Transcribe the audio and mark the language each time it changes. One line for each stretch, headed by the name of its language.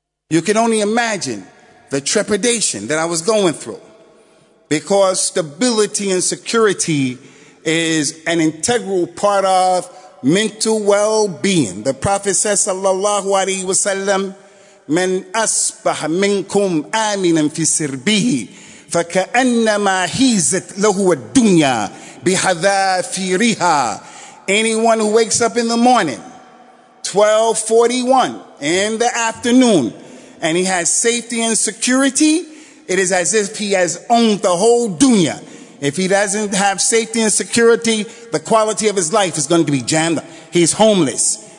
English: You can only imagine the trepidation that I was going through, because stability and security is an integral part of mental well-being. The Prophet says,
Arabic: sallallahu alayhi wa sallam, من أصبح منكم آمنا في سربه فكأنما هيزت له الدنيا بحذافيرها.
English: Anyone who wakes up in the morning, 12:41 in the afternoon, and he has safety and security, it is as if he has owned the whole dunya. If he doesn't have safety and security, the quality of his life is going to be jammed. He's homeless.